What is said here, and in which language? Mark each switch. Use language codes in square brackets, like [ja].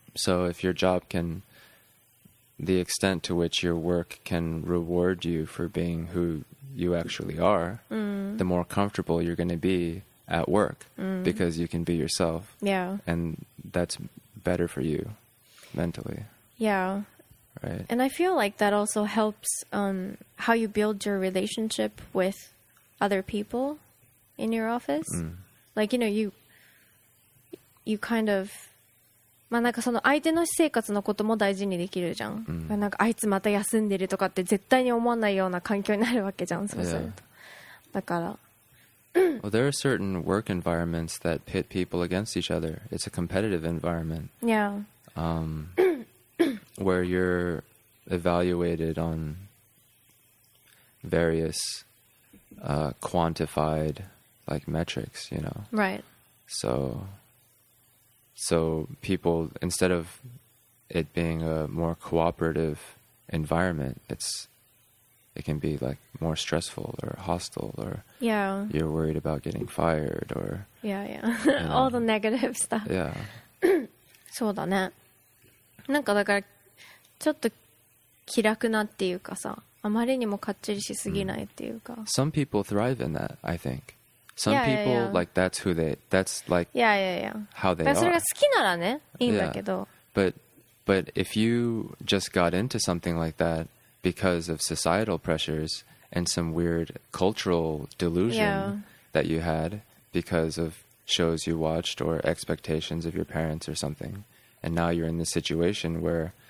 [en] So if your job can, the extent to which your work can reward you for being who you actually are, the more comfortable you're going to be at work because you can be yourself. Yeah. And that's better for you mentally. Yeah. Right. And I feel like that also helps how you build your relationship with other people in your office. Like, you know, you kind of... [ja] まあなんかその相手の私生活のことも大事にできるじゃん。 Mm. なんかあいつまた休んでるとかって絶対に思わないような環境になるわけじゃん。そうすると。だから。 [en] Well, there are certain work environments that pit people against each other. It's a competitive environment. Yeah. Where you're evaluated on various quantified like metrics, you know. Right. So people, instead of it being a more cooperative environment, it can be like more stressful or hostile or yeah. you're worried about getting fired or yeah, yeah. All the negative stuff. Yeah. [ja] そうだね。なんかだからちょっと気楽なっていうかさ、あまりにもかっちりしすぎないっていうか。 [en] Some people thrive in that, I think. Some yeah, people, yeah, yeah. like, that's who they, that's like, yeah, yeah, yeah. how they are. [ja] それが好きならね、いいんだけど。 [en] Yeah. But if you just got into something like that because of societal pressures and some weird cultural delusion yeah. that you had because of shows you watched or expectations of your parents or something, and now you're in this situation where...